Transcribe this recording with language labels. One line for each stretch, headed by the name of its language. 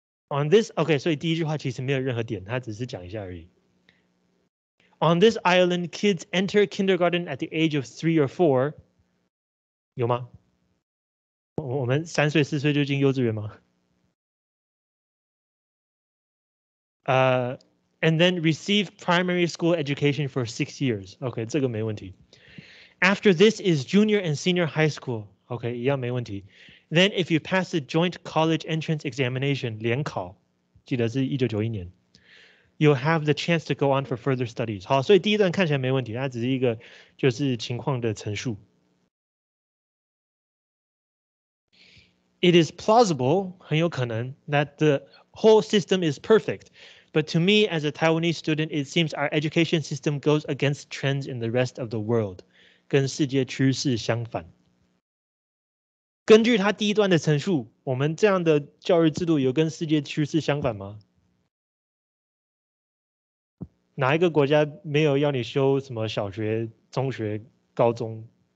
English: On this, okay,
Chinese: 所以第一句话其实没有任何点，他只是讲一下而已。
English: On this island, kids enter kindergarten at the age of 3 or 4.
Chinese: 有吗？我们三岁四岁就进幼稚园吗？
English: And then receive primary school education for 6 years.
Chinese: Okay, 这个没问题。
English: After this is junior and senior high school. Okay,
Chinese: 一样没问题。
English: Then if you pass the joint college entrance examination,
Chinese: 联考，记得是1991年。
English: You'll have the chance to go on for further studies.
Chinese: 好，所以第一段看起来没问题，它只是一个就是情况的陈述。
English: It is plausible,
Chinese: 很有可能,
English: that the whole system is perfect. But to me, as a Taiwanese student, it seems our education system goes against trends in the rest of the world.
Chinese: 跟世界趋势相反。根据他第一段的陈述，我们这样的教育制度有跟世界趋势相反吗？哪一个国家没有要你修什么小学、中学、高中？